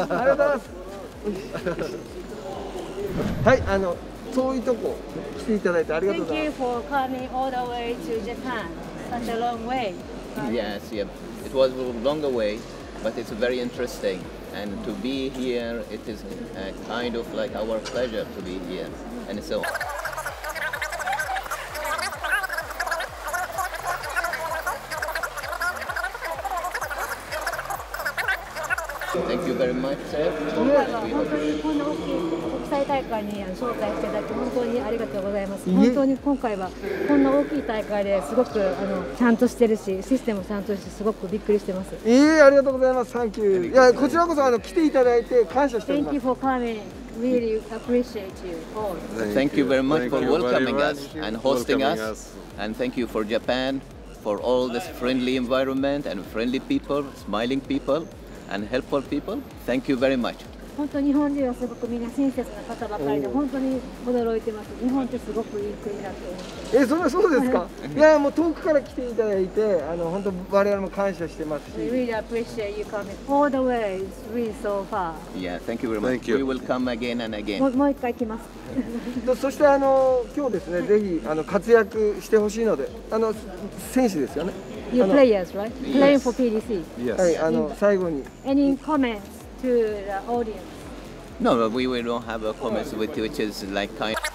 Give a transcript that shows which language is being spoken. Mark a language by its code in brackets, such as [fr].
[ja] ありがとうございます。はい、そういうとこ来ていただいてありがとうございます。 [en] Thank you for coming all the way to Japan. Such a long way. Yes, yeah. It was a longer way, but it's very interesting. And to be here, it is a kind of like our pleasure to be here. And so on. Thank you very much, sir. [ja] 本当にこんな大きい国際大会に招待していただき本当にありがとうございます。本当に今回はこんな大きい大会ですごくちゃんとしてるし、システムもちゃんとしてすごくびっくりしてます。ありがとうございます。 [en] Thank you. [ja] いや、こちらこそ来ていただいて感謝しています。 [en] Thank you for coming. Really appreciate you all. Thank you very much for welcoming us and hosting us. And thank you for Japan for all this friendly environment and friendly people, smiling people. And helpful people, thank you very much. [ja] 本当に日本人はすごくみんな親切な方ばかりで、本当に驚いてます。日本ってすごくいい国だと思って。それはそうですか。いや、もう遠くから来ていただいて、本当我々も感謝してますし。 [en] We really appreciate you coming all the way, it's really so far. Yeah, thank you very much. Thank you. We will come again and again. [ja] もう一回来ます。そして今日ですね、ぜひ活躍してほしいので、選手ですよね。 [en] Your players, right? Playing for PDC. Yes. [ja] はい、最後に。 [en] Any comments to the audience? No, but we don't have a comments with you, which is like kind.